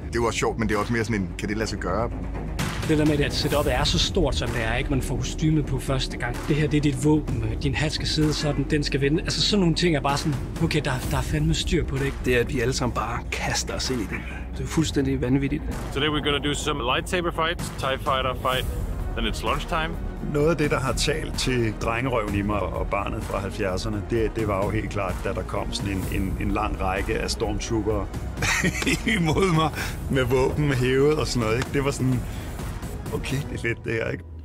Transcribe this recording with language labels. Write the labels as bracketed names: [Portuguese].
[Danish] Det var sjovt, men det er også mere sådan en, kan det lade sig gøre? Det der med, at setupet er så stort, som det er, ikke? Man får kostyme på første gang. Det her, det er dit våben. Din hat skal sidde sådan, den skal vende. Altså, sådan nogle ting er bare sådan, okay, der er fandme styr på det, ikke? Det er, at vi alle sammen bare kaster os ind i det. Det er fuldstændig vanvittigt. [English] Today we're gonna do some lightsaber fights, TIE fighter fight, then it's lunch time. [Danish] Noget af det, der har talt til drengerøven i mig og barnet fra 70'erne, det var jo helt klart, da der kom sådan en lang række af stormtrooper imod mig med våben hævet og sådan noget, ikke? Det var sådan, okay, det er fedt det her, ikke?